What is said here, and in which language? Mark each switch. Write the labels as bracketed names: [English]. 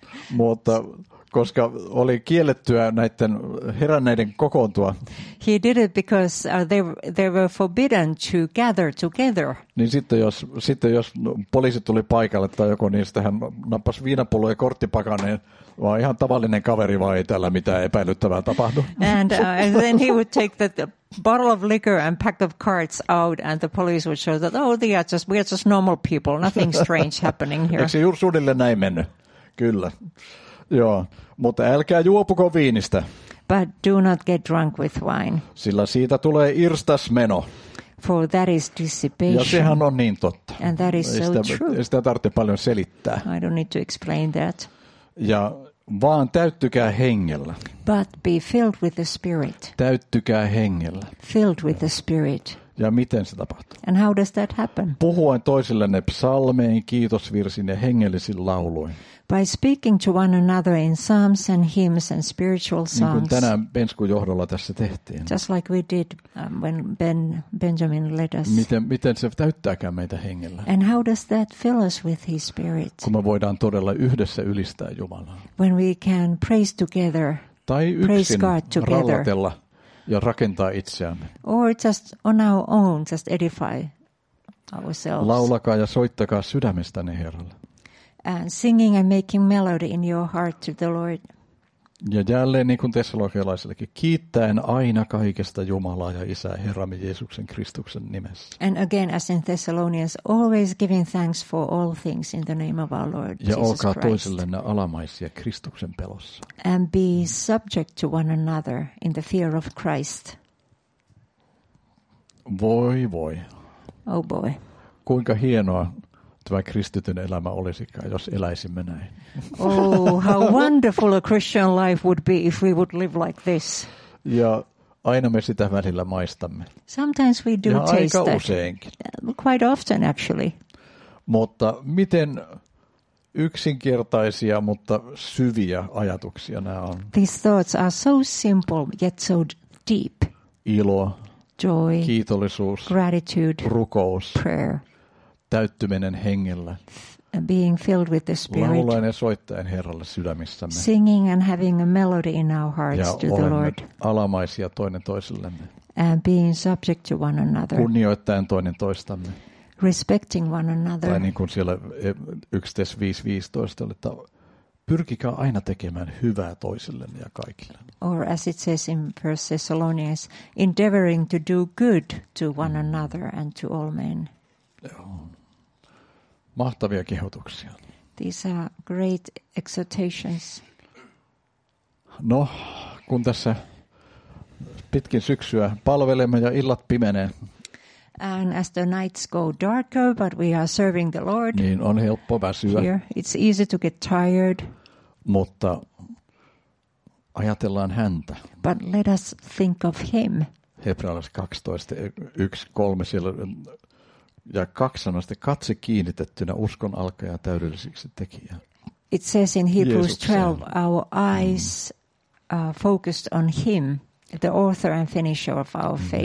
[Finnish] Mutta koska oli kiellettyä näiden heränneiden kokoontua. [English] He did it because they were forbidden to gather together. [Finnish] Niin sitten jos poliisi tuli paikalle tai joku, niin sitten hän nappasi viinapullo ja korttipakaneen. Vaan ihan tavallinen kaveri vai ei täällä mitään epäilyttävää tapahdu. [English] And then he would take the bottle of liquor and pack of cards out and the police would show that, oh, we are just normal people, nothing strange happening here. [Finnish] Eikö se juuri suunnilleen näin mennyt? Kyllä. Joo, mutta älkää juopuko viinistä. [English] But do not get drunk with wine. [Finnish] Sillä siitä tulee irstasmeno. [English] For that is dissipation. [Finnish] Ja sehän on niin totta. [English] And that is so true. [Finnish] Ei sitä tarvitse paljon selittää. [English] I don't need to explain that. [Finnish] Ja vaan täyttykää hengellä. [English] But be filled with the spirit. [Finnish] Täyttykää hengellä. [English] Filled with the spirit. [Finnish] Ja miten se tapahtuu? [English] And how does that happen? [Finnish] Puhuen toisillenne psalmein, kiitosvirsin ja hengellisin lauluin. [English] By speaking to one another in psalms and hymns and spiritual songs. [Finnish] Niin kuin tänään Benskun johdolla tässä tehtiin. [English] Just like we did when Benjamin led us. [Finnish] Miten se täyttääkään meitä hengellä? [English] And how does that fill us with his spirit? [Finnish] Kun me voidaan todella yhdessä ylistää Jumalaa. [English] When we can praise together. [Finnish] Tai [English] praise God together. [Finnish] Rallatella ja rakentaa itseämme. [English] Or just on our own, just edify ourselves. [Finnish] Laulakaa ja soittakaa sydämestänne Herralle. [English] And singing and making melody in your heart to the Lord. [Finnish] Ja jälleen niin kuin tessalonikelaisillekin, kiittäen aina kaikesta Jumalaa ja Isää Herramme Jeesuksen Kristuksen nimessä. [English] And again, as in Thessalonians, always giving thanks for all things in the name of our Lord [Finnish] ja [English] Jesus Christ. [Finnish] Ja olkaa toisillenne alamaisia Kristuksen pelossa. [English] And be subject to one another in the fear of Christ. [Finnish] Voi voi. [English] Oh boy. [Finnish] Kuinka hienoa tämä kristityn elämä olisikaan, jos eläisimme näin. [English] Oh, how wonderful a Christian life would be if we would live like this. [Finnish] Ja aina me sitä välillä maistamme. [English] Sometimes we do [Finnish] ja [English] taste [Finnish] aika [English] that. [Finnish] Useinkin. [English] Quite often actually. [Finnish] Mutta miten yksinkertaisia, mutta syviä ajatuksia nämä on. [English] These thoughts are so simple, yet so deep. [Finnish] Ilo. [English] Joy. [Finnish] Kiitollisuus. [English] Gratitude. [Finnish] Rukous. [English] Prayer. [Finnish] Täyttyminen hengellä. [English] Being filled with the spirit. [Finnish] Laulaen ja soittaen Herralle sydämissämme. [English] Singing and having a melody in our hearts [Finnish] ja [English] to the Lord. [Finnish] Alamaisia toinen toisillemme. [English] And being subject to one another. [Finnish] Kunnioittaen toinen toistamme. [English] Respecting one another. [Finnish] Tai niin kuin siellä 1:5:15, että pyrkikää aina tekemään hyvää toisillenne ja kaikille. [English] Or as it says in 1 Thessalonians, endeavoring to do good to one another and to all men. [Finnish] Mahtavia kehotuksia. [English] These are great exhortations. [Finnish] No, kun tässä pitkin syksyä palvelemme ja illat pimenee. [English] And as the nights go darker, but we are serving the Lord. [Finnish] Niin on helppo väsyä. [English] Here. It's easy to get tired. [Finnish] Mutta ajatellaan häntä. [English] But let us think of him. [Finnish] Hebrealaiskirjeen 12:1-3 siellä ja kaksanaste katse kiinnitettynä uskon alkaja täydelliseksi tekijä. [English] It says in Hebrews 12, our eyes focused on him, the author and finisher of our faith.